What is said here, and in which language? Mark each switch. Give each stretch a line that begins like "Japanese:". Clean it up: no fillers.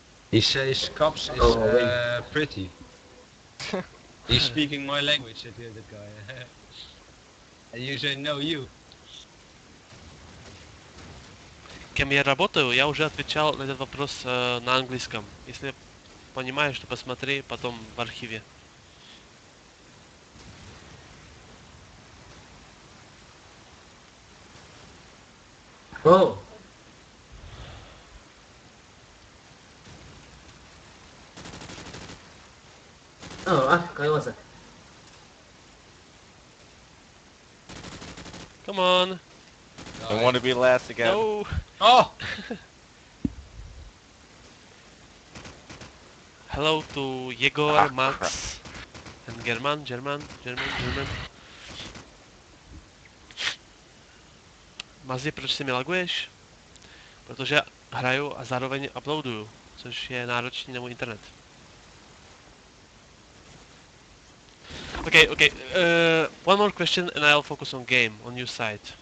English: He says cops is pretty. He's speaking my language, said the other guy. And you say no you.
Russian: кем я работаю, я уже отвечал на этот вопрос на английском. Если понимаешь, то посмотри потом в архиве. О!
English: Oh, come on. I want to be last again. No. Oh! Hello to Yegor, Max, and German.
Czech: Mazi, proč si mi laguješ? Protože hraju a zároveň uploaduju, což je náročný na můj internet.
English: Okay. One more question, and I'll focus on game, on your side.